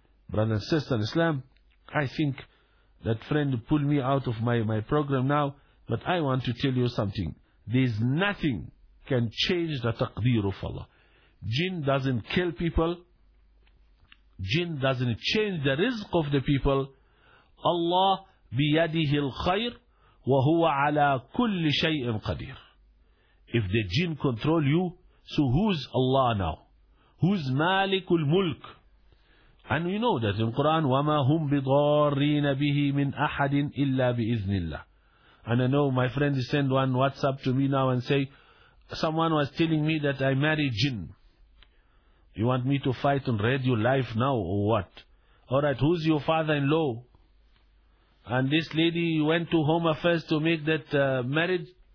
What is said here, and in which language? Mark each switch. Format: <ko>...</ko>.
<en>Brother and sister in Islam, I think that friend pulled me out of my program now, but I want to tell you something. There is nothing can change the taqdeer of Allah. Jinn doesn't kill people. Jinn doesn't change the rizq of the people.</en> <ar>Allah biyadihi al-khayr, وَهُوَ عَلَىٰ كُلِّ شَيْءٍ قَدِيرٍ.</ar> <en>If the jinn control you, so who's Allah now? Who's</en> <ar>مَالِكُ الْمُلْكِ?</ar> <en>And we know that in Quran,</en> <ar>وَمَا هُمْ بِضَارِّينَ بِهِ مِنْ أَحَدٍ إِلَّا بِإِذْنِ اللَّهِ.</ar> <en>And I know my friend sent one WhatsApp to me now and say, someone was telling me that I married jinn. You want me to fight on radio live now or what? Alright, who's your father-in-law? And this lady went to Home Affairs to make that marriage.</en>